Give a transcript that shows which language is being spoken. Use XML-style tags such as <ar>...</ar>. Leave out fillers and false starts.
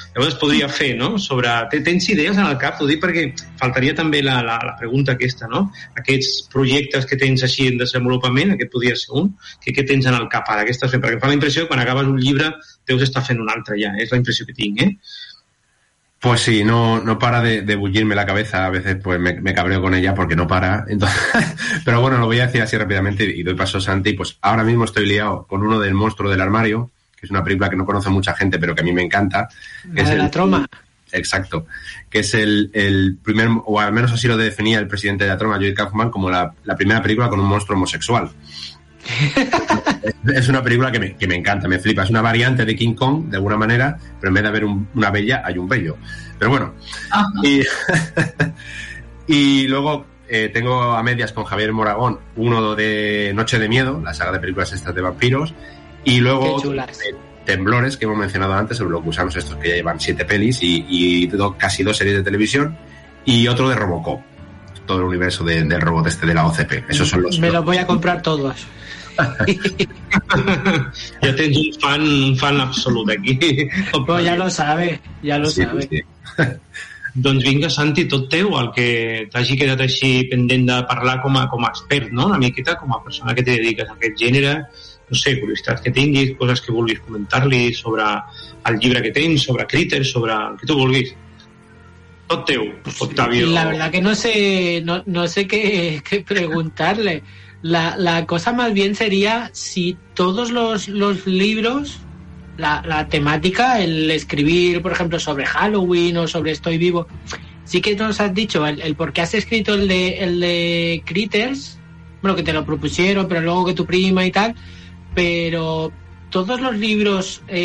<ca>Llavors podria fer, no?, sobre... Tens idees en el cap? T'ho dic perquè faltaria també la pregunta aquesta, no? Aquests projectes que tens així en desenvolupament, aquest podria ser un, què tens en el cap ara que estàs fent? Perquè em fa la impressió que quan acabes un llibre deus estar fent un altre ja, és la impressió que tinc, eh?</ca> <es>Pues sí, no para de bullirme la cabeza, a veces pues me cabreo con ella porque no para, entonces, pero bueno, lo voy a decir así rápidamente y doy paso a Santi. Pues ahora mismo estoy liado con uno del monstruo del armario, que es una película que no conoce mucha gente, pero que a mí me encanta. Que es de la Troma. Exacto, que es el primer, o al menos así lo definía el presidente de la Troma, Joy Kaufman, como la primera película con un monstruo homosexual. Es una película que me encanta, me flipa. Es una variante de King Kong, de alguna manera, pero en vez de haber una bella, hay un bello. Pero bueno. Y luego tengo a medias con Javier Moragón uno de Noche de Miedo, la saga de películas estas de vampiros. Y luego Temblores, que hemos mencionado antes, sobre los gusanos estos que ya llevan 7 pelis y casi 2 series de televisión. Y otro de Robocop, todo el universo del robot este de la OCP. Esos son los. Me los voy a comprar todos. Ya tengo un fan absoluto aquí. Pues ya lo sabe. Sí.</es> <ca>Doncs vinga, Santi, tot teu, el que t'hagi quedat així pendent de parlar com a expert, no?, una miqueta, com a persona que te dediques a aquest gènere, no sé, curiositats que tinguis, coses que vulguis comentar-li sobre el llibre que tens, sobre Critters, sobre el que tu vulguis. Tot teu, Octavio.</ca> <es>La verdad que no sé qué preguntarle. La cosa más bien sería si todos los libros, la temática, el escribir, por ejemplo, sobre Halloween o sobre Estoy Vivo, sí que nos has dicho el por qué has escrito el de Critters, bueno, que te lo propusieron, pero luego que tu prima y tal, pero todos los libros</es>